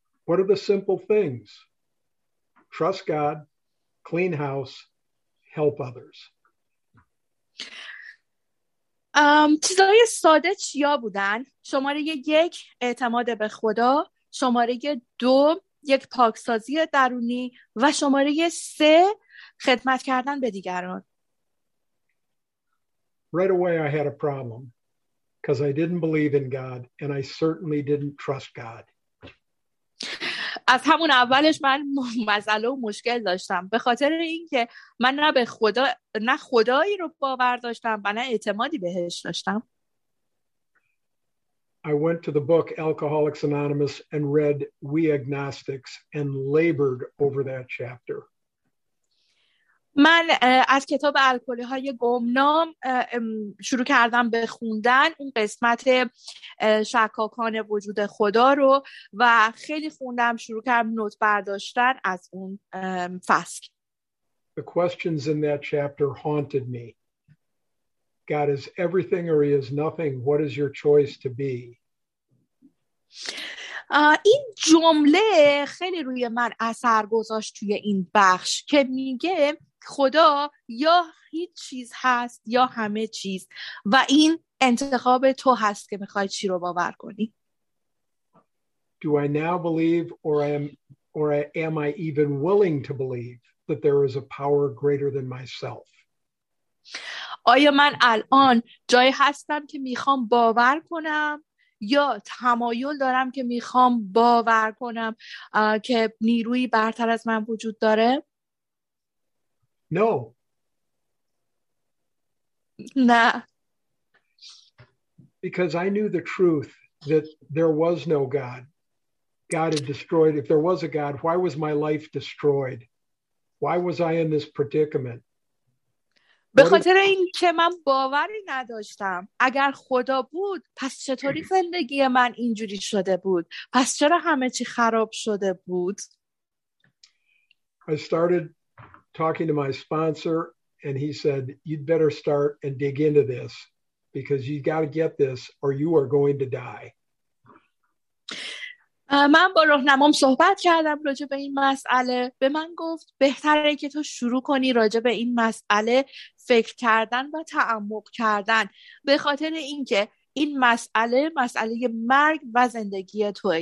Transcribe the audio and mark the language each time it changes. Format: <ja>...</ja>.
<en>What are the simple things? trust God, clean house, help others.</en> <fa>چیزای ساده چیا بودن؟ شماره 1 اعتماد به خدا، شماره 2 یک پاکسازی درونی و شماره 3 خدمت کردن به دیگران.</fa> <en>Right away I had a problem because I didn't believe in God and I certainly didn't trust God.</en> <fa>از همون اولش من مسئله و مشکل داشتم به خاطر اینکه من نه به خدا نه خدایی رو باور داشتم و نه اعتمادی بهش داشتم.</fa> <en>I went to the book Alcoholics Anonymous and read We Agnostics and labored over that chapter.</en> <fa>من از کتاب الکلی‌های گمنام شروع کردم به خوندن اون قسمت شکاکان وجود خدا رو و خیلی خوندم شروع کردم نوت برداشتن از اون فصل.</fa> <en>The questions in that chapter haunted me. God is everything or he is nothing. What is your choice to be?</en> <fa>این جمله خیلی روی من اثر گذاشت توی این بخش که میگه خدا یا هیچ چیز هست یا همه چیز و این انتخاب تو هست که میخوای چی رو باور کنی.</fa> <en>Do I now believe or am I even willing to believe that there is a power greater than myself?</en> <fa>آیا من الان جای هستم که میخوام باور کنم یا تمایل دارم که میخوام باور کنم که نیروی برتر از من وجود داره؟</fa> <en>No.</en> <fa>نه.</fa> <en>Because I knew the truth that there was no God. God had destroyed. If there was a God, why was my life destroyed? Why was I in this predicament?</en> <fa>به خاطر این که من باوری نداشتم. اگر خدا بود، پس چطوری زندگی من اینجوری شده بود؟ پس چرا همه چی خراب شده بود؟</fa> <en>I started talking to my sponsor and he said you'd better start and dig into this because you got to get this or you are going to die.</en> <fa>من با راهنمام صحبت کردم راجع به این مسئله. به من گفت بهتره که تو شروع کنی راجع به این مسئله فکر کردن و تعمق کردن به خاطر اینکه این مسئله مسئله مرگ و زندگی توئه.</fa>